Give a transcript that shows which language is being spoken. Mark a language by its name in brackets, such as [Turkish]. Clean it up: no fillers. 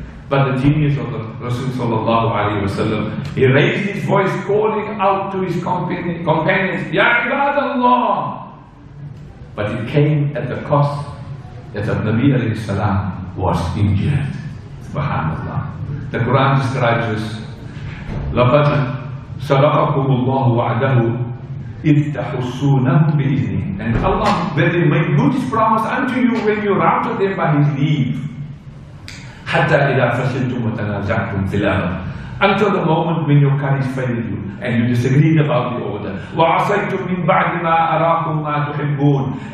[English] But the genius of the Rasul sallallahu alayhi wa sallam, he raised his voice calling out to his companions, Ya Ibadallah! But it came at the cost that the Nabi alayhi salam was injured. Subhanallah. The Quran describes this. [Arabic] لقد صدقكم الله وعده إذ تحصونهم بإذنه. [English] And Allah very made good his promise unto you when you routed them by his leave. [Arabic] حتى إذا فشلتم وتنازعتم في الأمر. [English] until the moment when your courage failed you and you disagreed about the order. [Arabic] وَعَصَيْتُمْ مِنْ بَعْدِ مَا أَرَاكُمْ مَا تُحِبُّونَ.